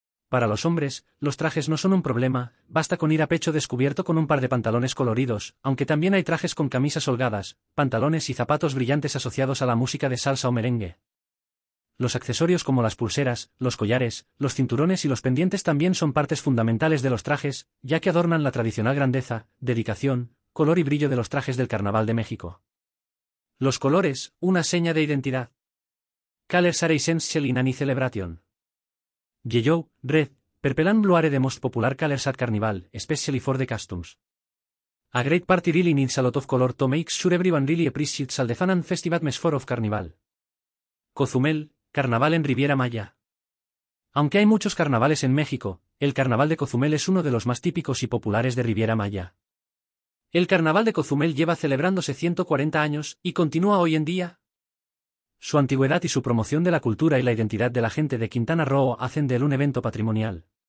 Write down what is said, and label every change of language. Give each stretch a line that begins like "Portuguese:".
Spanish: Para los hombres, los trajes no son un problema, basta con ir a pecho descubierto con un par de pantalones coloridos, aunque también hay trajes con camisas holgadas, pantalones y zapatos brillantes asociados a la música de salsa o merengue. Los accesorios como las pulseras, los collares, los cinturones y los pendientes también son partes fundamentales de los trajes, ya que adornan la tradicional grandeza, dedicación, color y brillo de los trajes del Carnaval de México. Los colores, una seña de identidad.
English: Colors are essential in any celebration. Yellow, red, purple and blue are the most popular colors at Carnival, especially for the customs. A great party really needs a lot of color to make sure everyone really appreciates all the fun and festive atmosphere of Carnival.
Spanish: Cozumel, Carnaval en Riviera Maya. Aunque hay muchos carnavales en México, el Carnaval de Cozumel es uno de los más típicos y populares de Riviera Maya. El Carnaval de Cozumel lleva celebrándose 140 años y continúa hoy en día. Su antigüedad y su promoción de la cultura y la identidad de la gente de Quintana Roo hacen de él un evento patrimonial.